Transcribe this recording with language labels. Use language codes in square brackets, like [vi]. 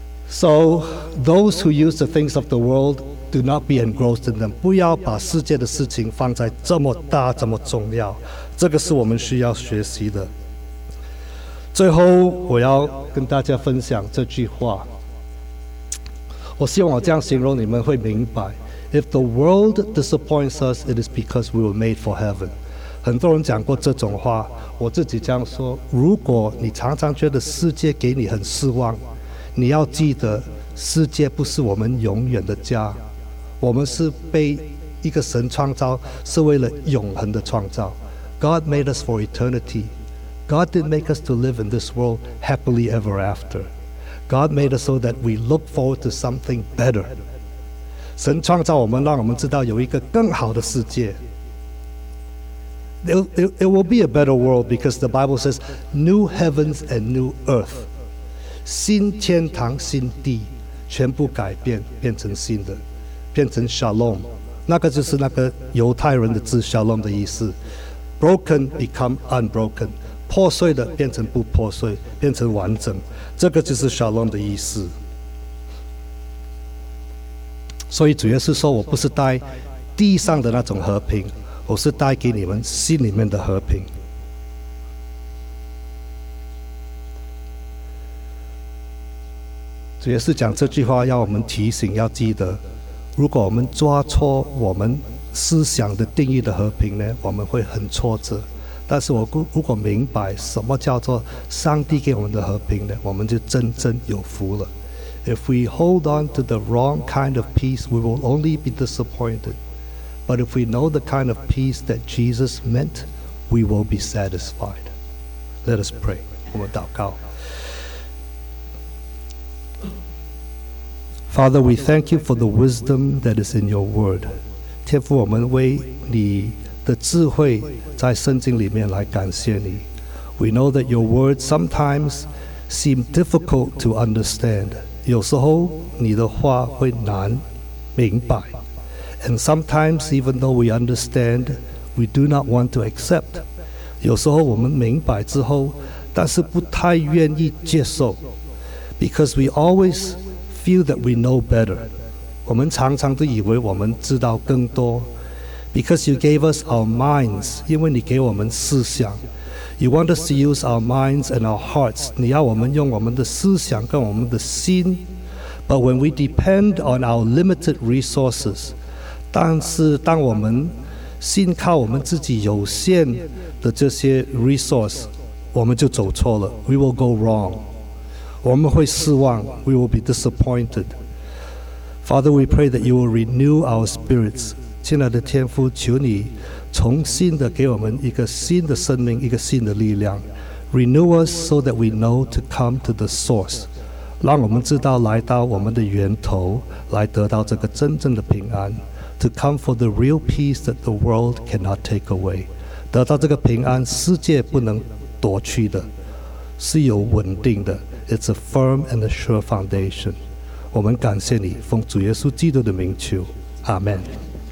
[en] So those who use the things of the world, do not be engrossed in them. [zh] 不要把世界的事情放在这么大这么重要，这个是我们需要学习的。最后我要跟大家分享这句话，我希望我这样形容你们会明白。 [en] If the world disappoints us, it is because we were made for heaven. [zh] 很多人讲过这种话，我自己这样说，如果你常常觉得世界给你很失望，你要记得世界不是我们永远的家，我们是被一个神创造，是为了永恒的创造。 [en] God made us for eternity. God didn't make us to live in this world happily ever after. God made us so that we look forward to something better. [zh] 神创造我们，让我们知道有一个更好的世界。 [en] It will be a better world because the Bible says new heavens and new earth. [zh] 新天堂新地全部改变，变成新的，变成 shalom， 那个就是那个犹太人的字 shalom 的意思。 [en] broken become unbroken， [zh] 破碎的变成不破碎，变成完整，这个就是 shalom 的意思。所以主耶稣说，我不是带地上的那种和平，我是带给你们心里面的和平。主耶稣讲这句话要我们提醒，要记得，如果我们抓错我们思想的定义的和平呢，我们会很挫折。但是我如果明白什么叫做上帝给我们的和平呢，我们就真正有福了。 [en] If we hold on to the wrong kind of peace, we will only be disappointed. But if we know the kind of peace that Jesus meant, we will be satisfied. Let us pray. [zh] 我们祷告。 [en] Father, we thank you for the wisdom that is in your word. [zh] 天父，我们为你的智慧在圣经里面来感谢你。 [en] We know that your word sometimes seem difficult to understand. [zh] 有时候你的话会难明白。 [en] And sometimes even though we understand, we do not want to accept. [zh] 有时候我们明白之后，但是不太愿意接受。 [en] Because we always feel that we know better. [zh] 我们常常都以为我们知道更多。 [en] Because you gave us our minds, [zh] 因为你给我们思想。 [en] You want us to use our minds and our hearts, [zh] 你要我们用我们的思想跟我们的心。 [en] But when we depend on our limited resources, [zh] 但是当我们信靠我们自己有限的这些 resource, 我们就走错了。 [en] We will go wrong. [zh] 我们会失望， [en] we will be disappointed. Father, we pray that you will renew our spirits. [zh] 亲爱的天父，求你重新的给我们一个新的生命，一个新的力量。 [en] Renew us so that we know to come to the source. [zh] 让我们知道来到我们的源头，来得到这个真正的平安。 [en] To come for the real peace that the world cannot take away. [zh] 得到这个平安，世界不能夺去的，是有稳定的。 [en] It's a firm and a sure foundation. [zh] 我们感谢你，奉主耶稣基督的名求，阿门。